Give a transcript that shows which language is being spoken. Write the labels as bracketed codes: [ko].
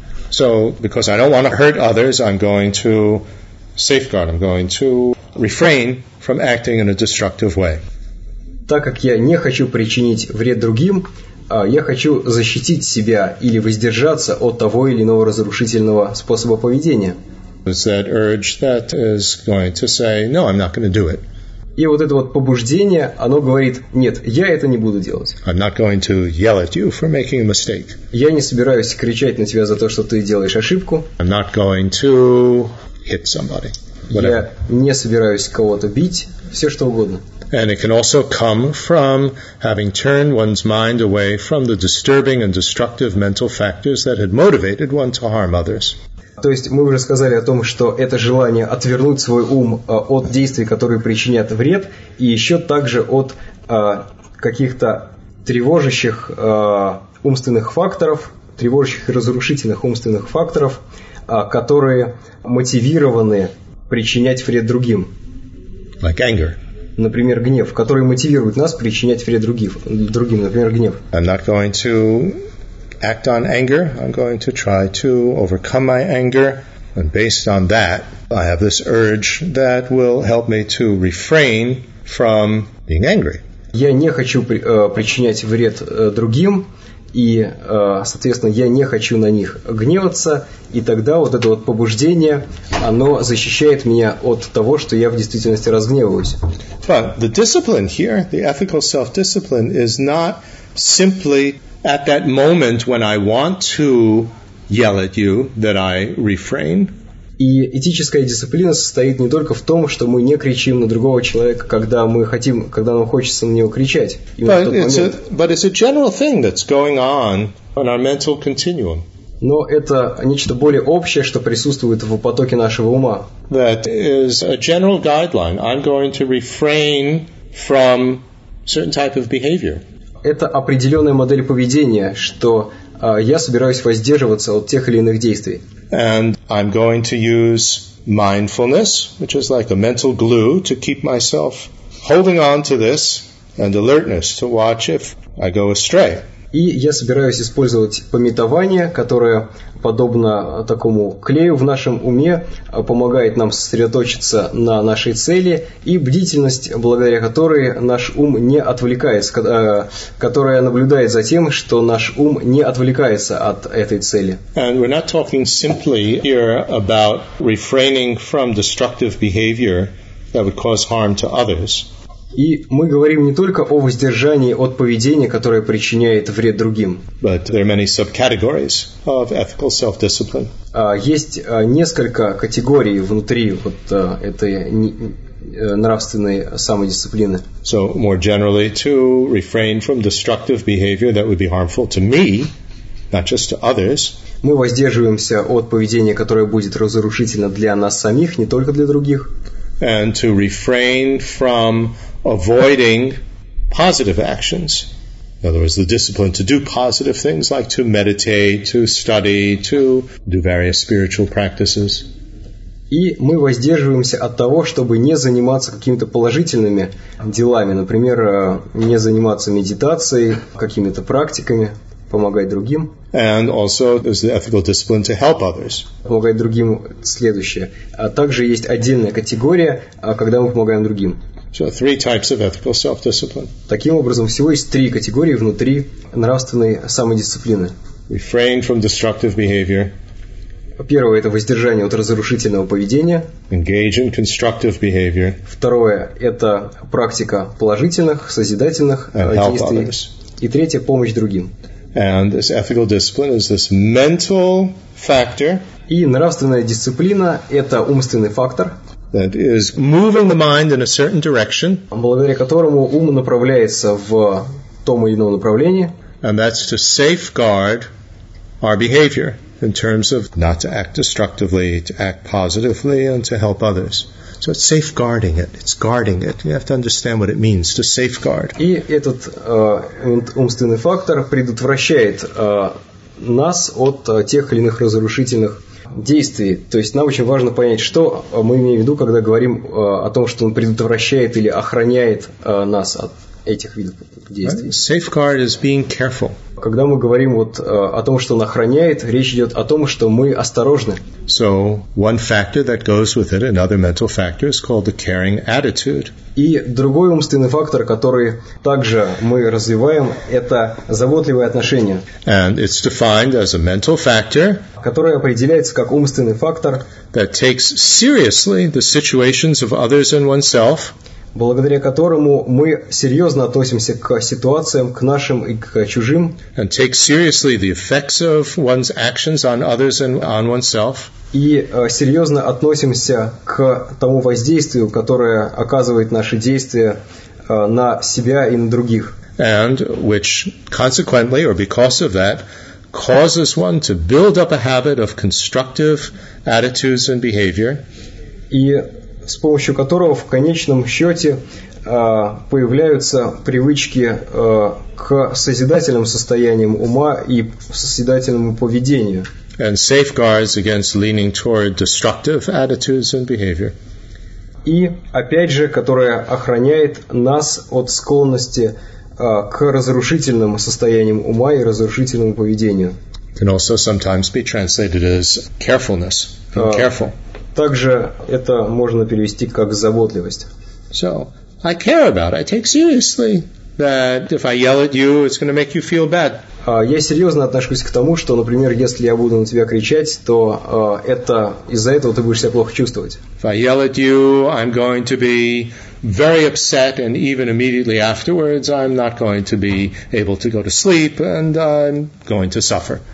[en] So, because I don't want to hurt others, I'm going to safeguard, I'm going to refrain from acting in a destructive way. [ru] Так как я не хочу причинить вред другим, я хочу защитить себя или воздержаться от того или иного разрушительного способа поведения. [en] It's that urge that is going to say, no, I'm not going to do it. [ru] И вот это вот побуждение, оно говорит, нет, я это не буду делать. [en] I'm not going to yell at you for making a mistake. [ru] Я не собираюсь кричать на тебя за то, что ты делаешь ошибку. [en] I'm not going to hit somebody. Whatever. [ru] Я не собираюсь кого-то бить, все что угодно. [en] And it can also come from having turned one's mind away from the disturbing and destructive mental factors that had motivated one to harm others. [ru] То есть мы уже сказали о том, что это желание отвернуть свой ум от действий, которые причинят вред, и еще также от каких-то тревожащих умственных факторов, тревожащих и разрушительных умственных факторов, которые мотивированы причинять вред другим. [en] Like anger. [ru] Например, гнев, который мотивирует нас причинять вред другим, например, гнев. [en] I'm not going to act on anger, I'm going to try to overcome my anger, and based on that, I have this urge that will help me to refrain from being angry. [ru] Я не хочу причинять вред другим, и, соответственно, я не хочу на них гневаться, и тогда вот это вот побуждение, оно защищает меня от того, что я в действительности разгневаюсь. [en] But the discipline here, the ethical self-discipline, is not simply at that moment when I want to yell at you, that I refrain. [ru] И этическая дисциплина состоит не только в том, что мы не кричим на другого человека, когда мы хотим, когда нам хочется на него кричать. Но это нечто более общее, что присутствует в потоке нашего ума. [en] That is a general guideline. I'm going to refrain from certain type of behavior. [ru] Это определенная модель поведения, что я собираюсь воздерживаться от тех или иных действий. [en] And I'm going to use mindfulness, which is like a mental glue, to keep myself holding on to this, and alertness to watch if I go astray. [ru] И я собираюсь использовать памятование, которое подобно такому клею в нашем уме, помогает нам сосредоточиться на нашей цели, и бдительность, благодаря которой наш ум не отвлекается, которая наблюдает за тем, что наш ум не отвлекается от этой цели. [en] And we're not talking simply here about refraining from destructive behavior that would cause harm to others. [ru] И мы говорим не только о воздержании от поведения, которое причиняет вред другим. [en] But there are many subcategories of ethical self-discipline. [ru] Есть несколько категорий внутри вот этой нравственной самодисциплины. [en] So more generally, to refrain from destructive behavior that would be harmful to me, not just to others. [ru] Мы воздерживаемся от поведения, которое будет разрушительно для нас самих, не только для других. [en] And to refrain from avoiding positive actions. In other words, the discipline to do positive things like to meditate, to study, to do various spiritual practices. [ru] И мы воздерживаемся от того, чтобы не заниматься какими-то положительными делами, например, не заниматься медитацией, какими-то практиками, помогать другим. [en] And also there's the ethical discipline to help others. [ru] Помогать другим следующее. А также есть отдельная категория, когда мы помогаем другим. [en] So three types of ethical self-discipline. [ru] Таким образом, всего есть три категории внутри нравственной самодисциплины. [en] Refrain from destructive behavior. [ru] Первое – это воздержание от разрушительного поведения. [en] Engage in constructive behavior. [ru] Второе – это практика положительных, созидательных действий. И третье – помощь другим. [en] And this ethical discipline is this mental factor. [ru] И нравственная дисциплина – это умственный фактор. [en] That is moving the mind in a certain direction. [ru] Благодаря которому ум направляется в том или ином направлении. [en] And that's to safeguard our behavior in terms of not to act destructively, to act positively, and to help others. So it's safeguarding it. It's guarding it. You have to understand what it means to safeguard. [ru] И этот умственный фактор предотвращает нас от тех или иных разрушительных действий. То есть нам очень важно понять, что мы имеем в виду, когда говорим о том, что он предотвращает или охраняет нас от этих видов действий. [en] Right. Safeguard is being careful. [ru] Когда мы говорим вот о том, что он охраняет, речь идет о том, что мы осторожны. [en] So one factor that goes with it, another mental factor, is called the caring attitude. [ru] И другой умственный фактор, который также мы развиваем, это заботливое отношение. [en] And it's defined as a mental factor, [ru] которое определяется как умственный фактор, [en] that takes seriously the situations of others and oneself. [ru] Благодаря которому мы серьезно относимся к ситуациям, к нашим и к чужим. [en] And take seriously the effects of one's actions on others and on oneself. [ru] И серьезно относимся к тому воздействию, которое оказывает наши действия на себя и на других. [en] And which consequently, or because of that, causes one to build up a habit of constructive attitudes and behavior. [ru] И с помощью которого в конечном счете появляются привычки к созидательным состояниям ума и созидательному поведению. [en] And safeguards against leaning toward destructive attitudes and behavior. [ru] И опять же, которая охраняет нас от склонности к разрушительным состояниям ума и разрушительному поведению. [en] Can also sometimes be translated as carefulness. Be careful. [ru] Также это можно перевести как заботливость. [en] So, I care about it. I take seriously that if I yell at you, it's going to make you feel bad. [ru] Я серьезно отношусь к тому, что, например, если я буду на тебя кричать, то это из-за этого ты будешь себя плохо чувствовать. [en] If I yell at you, I'm going to be very upset, and even immediately afterwards, I'm not going to be able to go to sleep, and I'm going to suffer.